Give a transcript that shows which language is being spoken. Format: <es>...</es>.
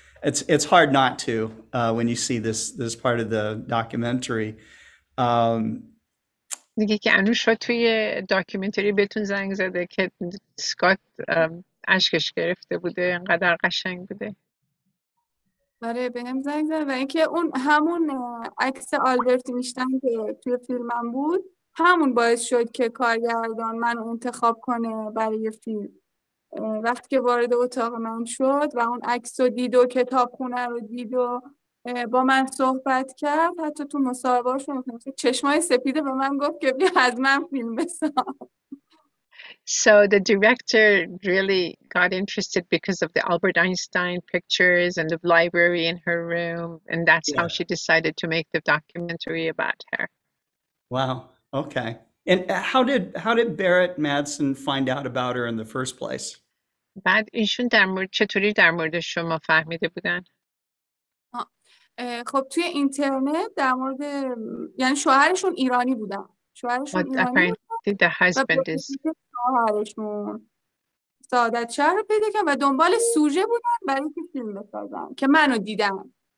<en>It's hard not to when you see this part of the documentary.</en> <fa>دیگه که انوشا توی داکیومنتری بهتون زنگ زده که سکات اشکش گرفته بوده انقدر قشنگ بوده. آره بهم زنگ زده و اینکه اون همون عکس آلبرت اینشتین که توی فیلمم بود همون باعث شد که کارگردان من انتخاب کنه برای فیلم. وقتی که وارد اتاق من شد و اون عکس رو دید و کتاب خونه رو دید و با من صحبت کرد حتی تو مصاحبهاشون چشمای سپیده به من گفت که بیا از من فیلم بسام.</fa> <en>So the director really got interested because of the Albert Einstein pictures and the library in her room and that's how she decided to make the documentary about her. Wow, okay. And how did Berit Madsen find out about her in the first place?</en> <fa>بعد ایشون در مورد چطوری در مورد شما فهمیده بودن؟ خب توی اینترنت در مورد یعنی شوهرشون ایرانی بودن. شوهرشون ایرانی</fa> <en>apparently</en> <fa>بودن.</fa> <en>The husband is</en> <fa>شوهرشون سعادت شهر رو پیدا کردن و دنبال سوژه بودن برای که فیلم بسازن که منو دیدن.</fa>